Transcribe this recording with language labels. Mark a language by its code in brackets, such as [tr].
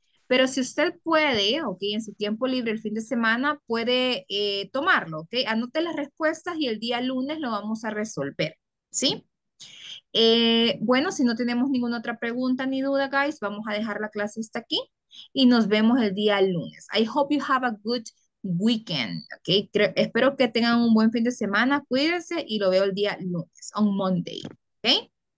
[es] Pero si usted puede, ok, en su tiempo libre el fin de semana, puede tomarlo, ok. Anote las respuestas y el día lunes lo vamos a resolver, ¿sí? Bueno, si no tenemos ninguna otra pregunta ni duda, guys, vamos a dejar la clase hasta aquí y nos vemos el día lunes. [en] I hope you have a good weekend, ok. [es] Espero que tengan un buen fin de semana, cuídense y lo veo el día lunes, [en] on Monday, [es] ok.